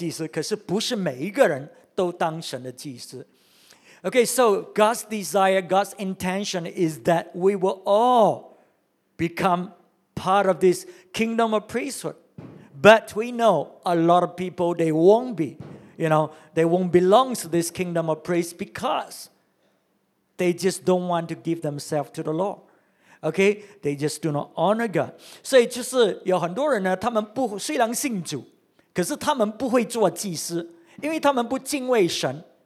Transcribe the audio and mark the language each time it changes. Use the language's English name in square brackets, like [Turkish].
[Chinese] 就是有一般的这个祭司呢，能够服侍他，跟他一起同掌权，直到永远。OK，所以我们在讲到呢，一个祭司呢，要成为这样的一个祭司呢，我们应当要怎么样，有怎么样的资格啊，才可以做这个祭司？神要我们都做祭司，可是不是每一个人都当神的祭司。 [English] Okay, so God's desire, God's intention is that we will all become part of this kingdom of priesthood. But we know a lot of people, they won't be, you know, they won't belong to this kingdom of priests because they just don't want to give themselves to the Lord. Okay, they just do not honor God. [Chinese] 所以就是有很多人呢，他们不虽然信主，可是他们不会做祭司，因为他们不敬畏神。